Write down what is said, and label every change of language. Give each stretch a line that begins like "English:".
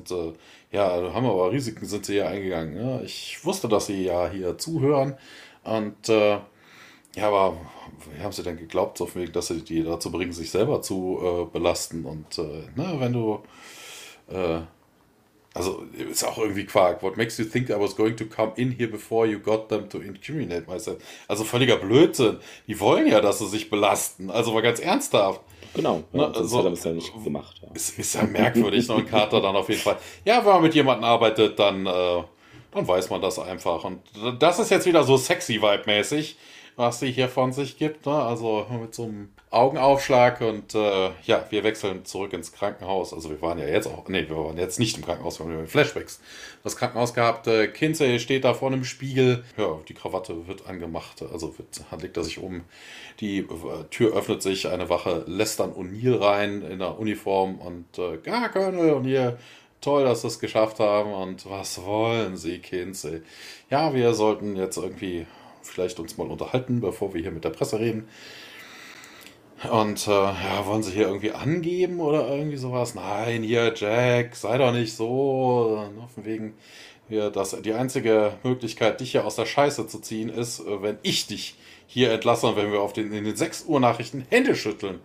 German: Und haben aber Risiken, sind sie hier eingegangen. Ja, ich wusste, dass sie ja hier zuhören. Und aber wie haben sie denn geglaubt, so viel, dass sie die dazu bringen, sich selber zu belasten? Und wenn du, ist auch irgendwie Quark.
English: What makes you think I was going to come in here before you got them to incriminate myself?
German: Also völliger Blödsinn. Die wollen ja, dass sie sich belasten. Also mal ganz ernsthaft. Genau, hat er das ja nicht gemacht. Ja. Ist ja merkwürdig, noch ein Carter dann auf jeden Fall. Ja, wenn man mit jemandem arbeitet, dann weiß man das einfach. Und das ist jetzt wieder so sexy-vibe-mäßig, was sie hier von sich gibt. Ne? Also mit so einem Augenaufschlag und wir wechseln zurück ins Krankenhaus. Also wir waren ja jetzt auch, nee, wir waren jetzt nicht im Krankenhaus, wir haben Flashbacks das Krankenhaus gehabt. Kinsey steht da vorne im Spiegel. Ja, die Krawatte wird angemacht, also legt er sich um. Die Tür öffnet sich, eine Wache lässt dann O'Neill rein in der Uniform und Colonel O'Neill, toll, dass sie es geschafft haben. Und was wollen sie, Kinsey? Ja, wir sollten jetzt irgendwie vielleicht uns mal unterhalten, bevor wir hier mit der Presse reden. Und wollen sie hier irgendwie angeben oder irgendwie sowas? Nein, hier, Jack, sei doch nicht so. Nur von wegen, die einzige Möglichkeit, dich hier aus der Scheiße zu ziehen, ist, wenn ich dich hier entlasse und wenn wir in den 6 Uhr Nachrichten Hände schütteln.